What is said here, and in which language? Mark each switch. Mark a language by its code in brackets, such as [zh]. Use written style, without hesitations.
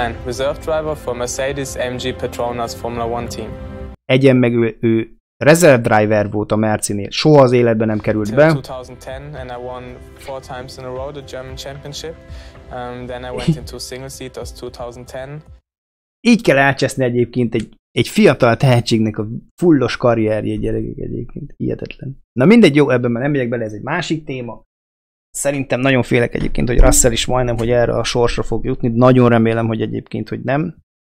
[en] Reserve driver for Mercedes AMG Petronas Formula 1 team. [hu] Egyen meg ő reserve driver volt a Mercinél. Soha az életben nem került be. [en] 2010 and I won 4 times in a row the German championship. Then I went into single seat as 2010. [hu] Így kell elcseszni egyébként egy fiatal tehetségnek a fullos karrierje, gyerekek, egyébként. Hihetetlen. Na mindegy, jó, ebben már nem megyek bele, ez egy másik téma. Szerintem nagyon félek egyébként, hogy Russell is majdnem, hogy erre a sorsra fog jutni. Nagyon remélem, hogy egyébként, hogy nem.